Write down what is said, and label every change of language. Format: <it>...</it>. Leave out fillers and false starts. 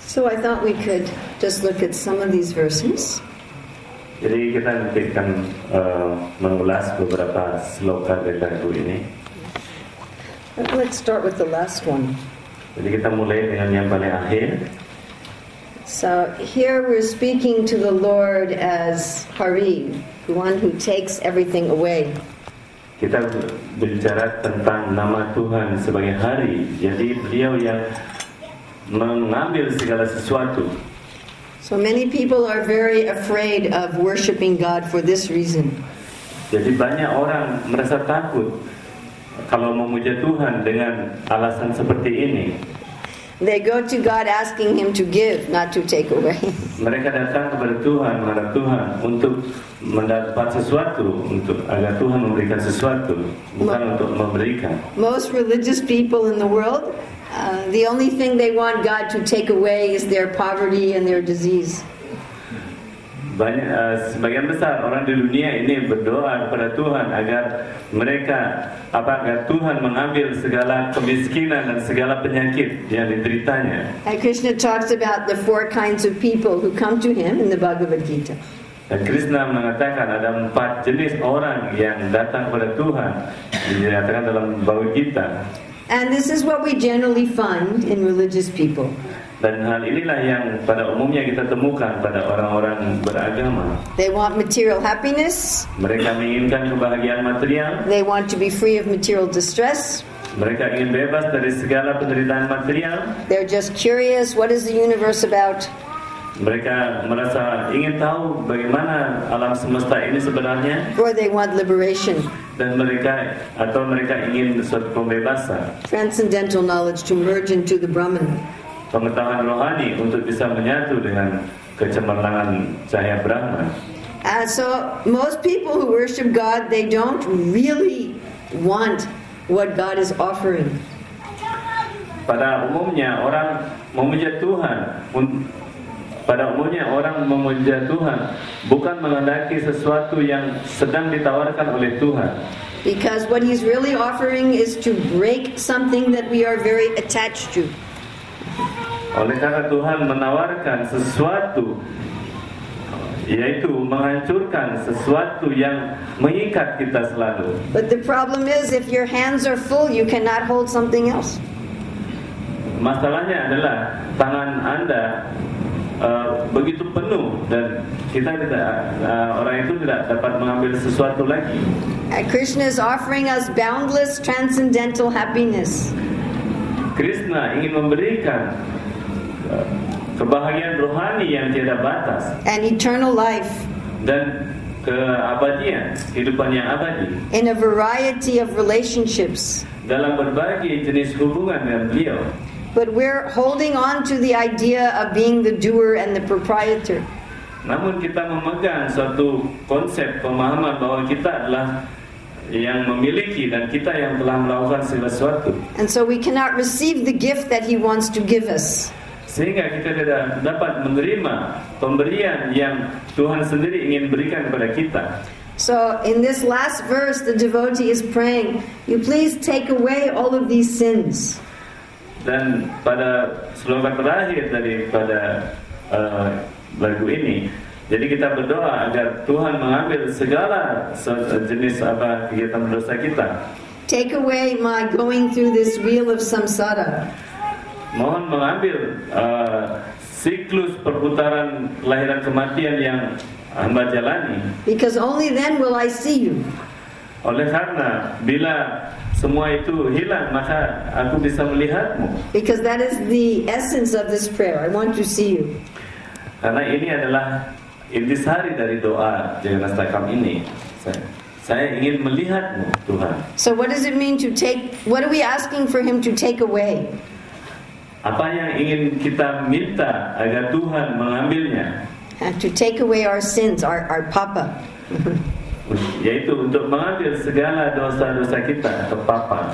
<en>I thought we could just look at some of these verses.</en> <id>Jadi kita akan mengulas beberapa sloka dari lagu ini.</id> <en>Let's start with the last one.</en> <id>Jadi kita mulai dengan yang paling akhir.</id> <en>So here we're speaking to the Lord as Hari, the one who takes everything away.</en> <id>Kita berbicara tentang nama Tuhan sebagai Hari. Jadi beliau yang mengambil segala sesuatu.</id> <en>So many people are very afraid of worshiping God for this reason.</en> <id>Jadi banyak orang merasa takut kalau memuja Tuhan dengan alasan seperti ini.</id> <en>They go to God asking Him to give, not to take away.</en> <id>Mereka datang kepada Tuhan, mengharap Tuhan untuk mendapat sesuatu, untuk agar Tuhan memberikan sesuatu, bukan untuk memberikan.</id> <en>Most religious people in the world, the only thing they want God to take away is their poverty and their disease.</en> <id>Banyak, sebagian besar orang di dunia ini berdoa kepada Tuhan agar mereka, apa, agar Tuhan mengambil segala kemiskinan dan segala penyakit yang dideritanya.</id> <en>And Krishna talks about the four kinds of people who come to Him in the Bhagavad Gita.</en> <id>Dan Krishna mengatakan ada empat jenis orang yang datang kepada Tuhan, dinyatakan dalam Bhagavad Gita.</id> <en>And this is what we generally find in religious people.</en> <id>Dan hal inilah yang pada umumnya kita temukan pada orang-orang beragama.</id> <en>They want material happiness.</en> <id>Mereka menginginkan kebahagiaan material.</id> <en>They want to be free of material distress.</en> <id>Mereka ingin bebas dari segala penderitaan material.</id> <en>They're just curious, what is the universe about?</en> <id>Mereka merasa ingin tahu bagaimana alam semesta ini sebenarnya.</id> <en>Or they want liberation.</en> <id>Dan mereka, atau mereka ingin suatu pembebasan.</id> <en>Transcendental knowledge to merge into the Brahman.</en> <id>Pengetahuan rohani untuk bisa menyatu dengan kecemerlangan cahaya Brahman.</id> <en>So most people who worship God, they don't really want what God is offering.</en> <id>Pada umumnya orang memuja Tuhan. Pada umumnya orang memuja Tuhan bukan mengandalki sesuatu yang sedang ditawarkan oleh Tuhan.</id> <en>Because what He's really offering is to break something that we are very attached to.</en> <id>Oleh karena Tuhan menawarkan sesuatu, yaitu menghancurkan sesuatu yang mengikat kita selalu.</id> <en>But the problem is, if your hands are full, you cannot hold something else.</en> <id>Masalahnya adalah tangan Anda begitu penuh dan kita tidak, orang itu tidak dapat mengambil sesuatu lagi.</id> <en>Krishna is offering us boundless transcendental happiness.</en> <id>Krishna ingin memberikan kebahagiaan rohani yang tiada batas.</id> <en>An eternal life.</en> <id>Dan keabadian, kehidupan yang abadi.</id> <en>In a variety of relationships.</en> <id>Dalam berbagai jenis hubungan dengan beliau.</id> <en>But we're holding on to the idea of being the doer and the proprietor.</en> <id>Namun kita memegang satu konsep pemahaman bahwa kita adalah yang memiliki dan kita yang telah melakukan segala sesuatu.</id> <en>And so we cannot receive the gift that he wants to give us.</en> <id>Sehingga kita tidak dapat menerima pemberian yang Tuhan sendiri ingin berikan kepada kita.</id> <en>So in this last verse the devotee is praying, "You please take away all of these sins."</en> <id>Dan pada slogan terakhir dari pada lagu ini, jadi kita berdoa agar Tuhan mengambil segala jenis apa kegiatan dosa kita.</id> <en>Take away my going through this wheel of samsara.</en> <id>Mohon mengambil siklus perputaran lahiran kematian yang hamba jalani.</id> <en>Because only then will I see you.</en> <id>Oleh karena bila semua itu hilang maka aku bisa melihatmu.</id> <en>Because that is the essence of this prayer. I want to see you.</en> <id>Karena ini adalah intisari dari doa Jayanastakam ini. Saya ingin melihatmu, Tuhan.</id> <en>So what does it mean to take? What are we asking for him to take away?</en> <id>Apa yang ingin kita minta agar Tuhan mengambilnya?</id> <en>And to take away our sins, our papa.</en> <id>Yaitu untuk mengambil segala dosa-dosa kita atau papa.</id>